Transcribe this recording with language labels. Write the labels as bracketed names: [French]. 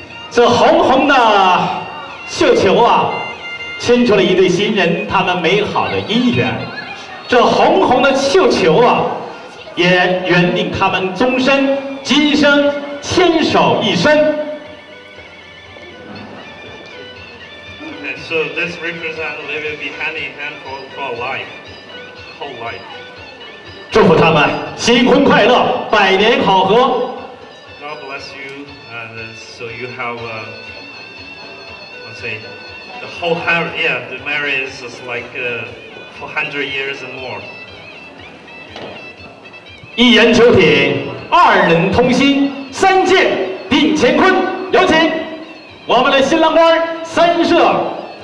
[Chinese] 这红红的绣球啊，牵出了一对新人他们美好的姻缘。这红红的绣球啊，也圆定他们终身，今生牵手一生。 [English] So this represents they will be hand in hand for life, whole life. [Chinese] 祝福他们新婚快乐，百年好合。 [English] God bless you, and so you have, let's say, the whole hand. Yeah, the marriage is like 400 years and more. [Chinese] 一言九鼎，二人同心，三界定乾坤。有请我们的新郎官三社。